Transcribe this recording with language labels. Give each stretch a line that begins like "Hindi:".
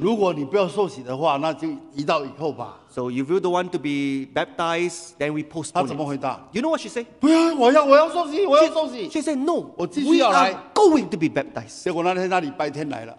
Chinese: 如果你不要受洗的话，那就移到以后吧。
English: So if you don't want to be baptized, then we postpone.
Chinese: 他怎么回答
English: ？You know what she said?
Chinese: 不要，我要受洗，我要受洗。
English: She said no.
Chinese: 我继续要来。
English: We are going to be baptized.
Chinese: 结果那天那礼拜天来了。